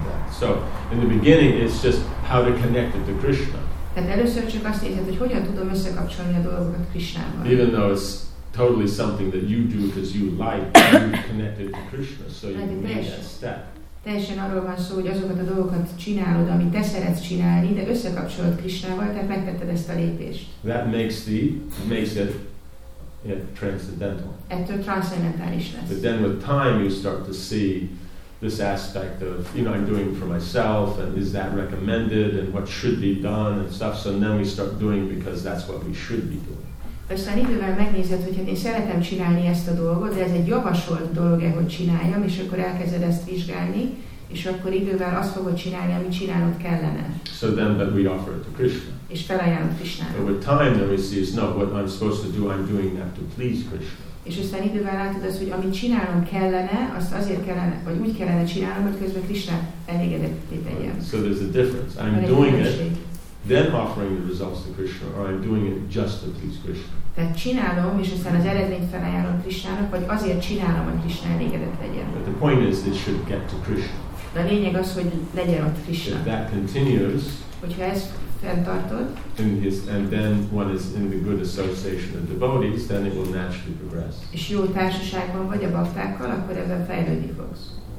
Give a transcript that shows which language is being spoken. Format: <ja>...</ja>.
<en>So in the beginning it's just how to connect it to Krishna.</en> <hu>Tehát először csak azt nézed, hogy hogyan tudom összekapcsolni a dolgokat Krishnával.</hu> <en>Even though it's totally something that you do because you like, you connect it to Krishna, so you need that step.</en> <hu>Teljesen arról van szó, hogy azokat a dolgokat csinálod, amit te szeretsz csinálni, de összekapcsolod Krishnával, tehát megtetted ezt a lépést.</hu> <en>That makes it transcendental.</en> <hu>Ettől transzendentális lesz.</hu> <en>But then with time you start to see this aspect of, you know, I'm doing it for myself, and is that recommended, and what should be done, and stuff. So then we start doing because that's what we should be doing.</en> <hu>Aztán idővel megnézed, hogy hát én szeretem csinálni ezt a dolgot, de ez egy javasolt dolog, hogy csináljam, és akkor elkezded ezt vizsgálni, és akkor idővel azt fogod csinálni, amit csinálnod kellene.</hu> <en>So then that we offer it to Krishna.</en> <hu>És felajánlod Krishnának.</hu> <en>Over time then we see it's not what I'm supposed to do, I'm doing that to please Krishna.</en> <hu>És aztán idővel látod azt, hogy amit csinálnom kellene, azt azért kellene, vagy úgy kellene csinálnom, hogy közben Krishna elégedetté tegyem.</hu> <en>So there's a difference. I'm doing it, then offering the results to Krishna, or I'm doing it just to please Krishna.</en> <hu>Tehát csinálom, és aztán az eredményt felajánlom Krishnának, vagy azért csinálom, hogy Krishna elégedett legyen.</hu> <en>But the point is, it should get to Krishna.</en> <hu>De a lényeg az, hogy legyen ott Krishna.</hu> <en>If that continues,</en> <hu>hogyha ezt fenntartod,</hu> <en>and then one is in the good association of devotees, then it will naturally progress.</en> <hu>És jó társaságban vagy a baktákkal, akkor ebben fejlődni fogsz.</hu>